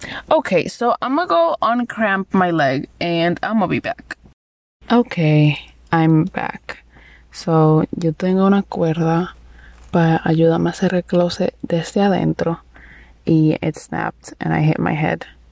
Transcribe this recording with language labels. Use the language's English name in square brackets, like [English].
[English] Okay, so I'm going to go uncramp my leg and I'm going to be back. Okay, I'm back. [Spanish] So, yo tengo una cuerda para ayudarme a cerrar el closet desde adentro. [English] Y it snapped and I hit my head.